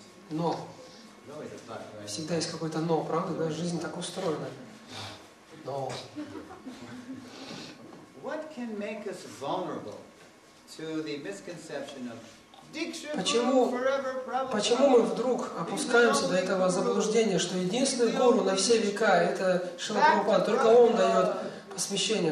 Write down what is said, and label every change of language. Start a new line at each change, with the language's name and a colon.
Russian: Но всегда есть какое-то но, правда? Да, жизнь так устроена. Но.
English: What can make us vulnerable to the misconception of
Russian: Почему мы вдруг опускаемся до этого заблуждения, что единственный гуру на все века — это Шрила Прабхупада, только он дает посвящение.